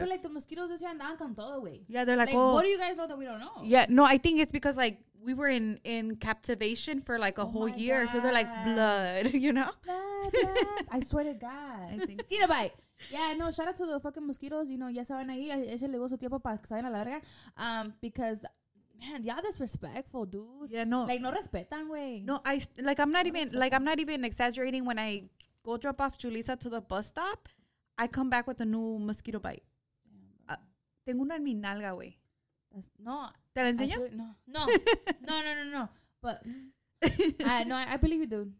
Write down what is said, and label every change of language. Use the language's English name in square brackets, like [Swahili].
[English] Know. I feel like the mosquitoes this year [Spanish] andaban con todo, güey. [English] Yeah, they're like, what do you guys know that we don't know? Yeah, no, I think it's because, like, we were in captivation for, like, whole year. God. So they're like, blood, you know? Blood. I swear to God. Mosquito bite. Yeah, no, shout out to the fucking mosquitoes. You know, [Spanish] ya saben ahí. Ese le gozo tiempo para que saben a la verga. [English] Because... Man, y'all disrespectful, dude. Yeah, no. [Spanish] Like, no respetan, güey. [English] No, I'm not even exaggerating when I go drop off Julissa to the bus stop. I come back with a new mosquito bite. [Spanish] Tengo una en mi nalga, güey. [English] No. [Spanish] ¿Te la enseño? [English] No. But I believe you, dude.